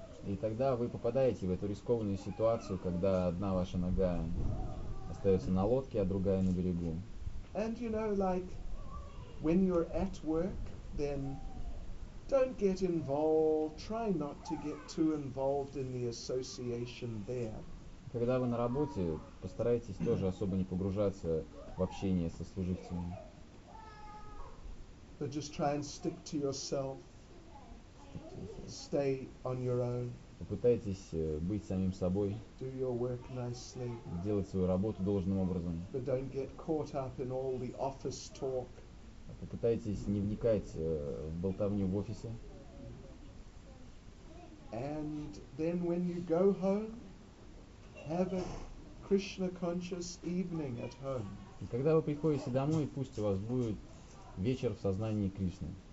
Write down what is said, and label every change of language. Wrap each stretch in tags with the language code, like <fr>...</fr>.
<ru>И тогда вы попадаете в эту рискованную ситуацию, когда одна ваша нога остается на лодке, а другая на берегу.</ru> <en>And you know, like when you're at work, then don't get involved. Try not to get too involved in the association there.</en> <ru>Когда вы на работе, постарайтесь тоже особо не погружаться в общение со служителями.</ru> <en>But just try and stick to yourself. Stay on your own.</en> <ru>Попытайтесь быть самим собой.</ru> <en>Do your work nicely.</en> <ru>Делать свою работу должным образом.</ru> <en>But don't get caught up in all the office talk.</en> <ru>Попытайтесь не вникать в болтовню в офисе.</ru> <en>And then when you go home, have a Krishna conscious evening at home.</en> <ru>И когда вы приходите домой, пусть у вас будет вечер в сознании Кришны.</ru>